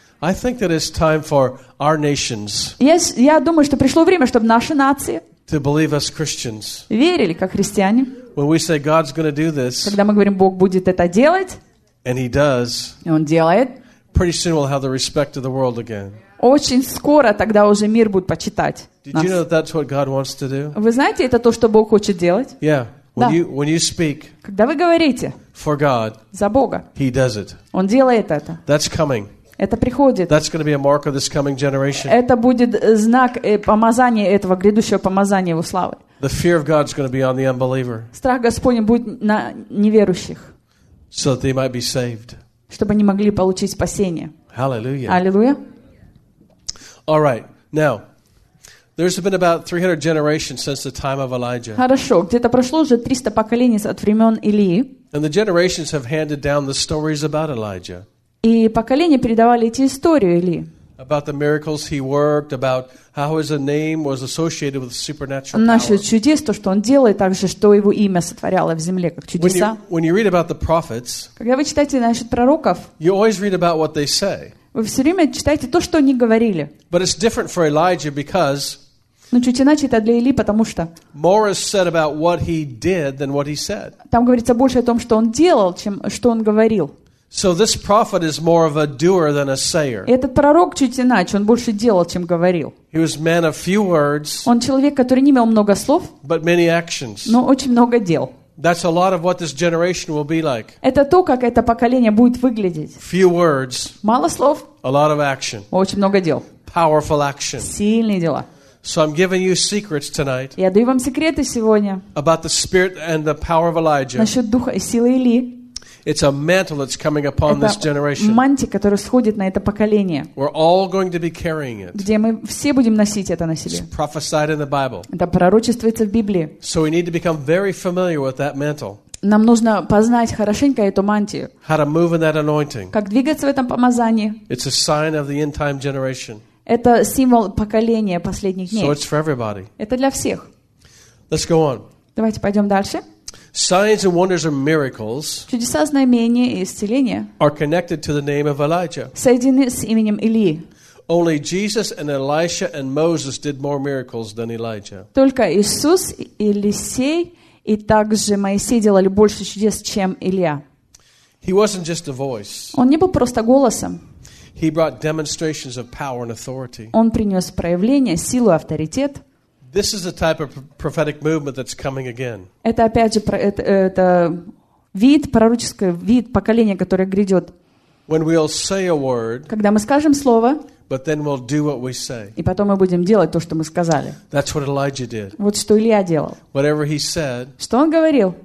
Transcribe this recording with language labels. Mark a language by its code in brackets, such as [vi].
[en] I think that it's time for our nations. [ru] Yes, я думаю, что пришло время, чтобы наши нации [en] to believe us Christians. [ru] Верили как христиане. [en] When we say God's going to do this, [ru] когда мы говорим, Бог будет это делать, [en] and he does. [ru] И он делает. [en] Pretty soon we'll have the respect of the world again. [ru] Очень скоро тогда уже мир будет почитать нас. [en] Did you know that that's what God wants to do? [ru] Вы знаете, это то, что Бог хочет делать? [en] Yeah. When you when you speak, [ru] когда вы говорите [en] for God, [ru] за Бога, [en] He does it. [ru] Он делает это. [en] That's coming. [ru] Это приходит. [en] That's going to be a mark of this coming generation. [ru] Это будет знак помазания этого грядущего помазания его славы. [en] The fear of God is going to be on the unbeliever. [ru] Страх Господень будет на неверующих. [en] So that they might be saved. [ru] Чтобы они могли получить спасение. [en] Hallelujah. [ru] Аллилуйя. [en] All right. Now, there's been about 300 generations since the time of Elijah. [ru] Хорошо, где-то прошло уже 300 поколений от времен Илии. [en] And the generations have handed down the stories about Elijah. [ru] И поколения передавали эти истории Илии. [en] About the miracles he worked, about how his name was associated with supernatural power. [ru] Насчет чудес, то, что он делает, также, что его имя сотворяло в земле, как чудеса. [en] When you read about the prophets, [ru] когда вы читаете насчет пророков, [en] you always read about what they say. [ru] Вы все время читаете то, что они говорили. [en] But it's different for Elijah because [ru] но чуть иначе это для Илии, потому что [en] more is said about what he did than what he said. [ru] Там говорится больше о том, что он делал, чем что он говорил. [en] So this prophet is more of a doer than a sayer. [ru] Этот пророк чуть иначе, он больше делал, чем говорил. [en] He was man of few words. [ru] Он человек, который не имел много слов, [en] but many actions. [ru] Но очень много дел. [en] That's a lot of what this generation will be like. [ru] Это то, как это поколение будет выглядеть. [en] Few words. [ru] Мало слов. [en] A lot of action. [ru] Очень много дел. [en] Powerful action. [ru] Сильные дела. [en] So I'm giving you secrets tonight. [ru] Я даю вам секреты сегодня. [en] About the spirit and the power of Elijah. [ru] Насчет духа и силы Илии. [en] It's a mantle that's coming upon this generation. [ru] Это мантия, которая сходит на это поколение. [en] We're all going to be carrying it. [ru] Где мы все будем носить это на себе. [en] It's prophesied in the Bible. [ru] Это пророчествуется в Библии. [en] So we need to become very familiar with that mantle. [ru] Нам нужно познать хорошенько эту мантию. [en] How to move in that anointing. [ru] Как двигаться в этом помазании. [en] It's a sign of the end time generation. [ru] Это символ поколения последних дней. [en] So it's for everybody. [ru] Это для всех. [en] Let's go on. [ru] Давайте пойдем дальше. [en] Signs and wonders are miracles. [ru] Чудеса, знамения и исцеления. [en] Are connected to the name of Elijah. [ru] Соединены с именем Илии. [en] Only Jesus and Elisha and Moses did more miracles than Elijah. [ru] Только Иисус и Елисей и также Моисей делали больше чудес, чем Илия. [en] He wasn't just a voice. [ru] Он не был просто голосом. [en] He brought demonstrations of power and authority. [ru] Он принес проявление силы и авторитет. [en] This is the type of prophetic movement that's coming again. [ru] Это опять же это вид пророческий вид поколения, которое грядет. [en] When we'll say a word. [ru] Когда мы скажем слово. [en] But then we'll do what we say. [ru] И потом мы будем делать то, что мы сказали. [en] That's what Elijah did. [ru] Вот что Илия делал. [en] Whatever he said. [ru] Что он говорил.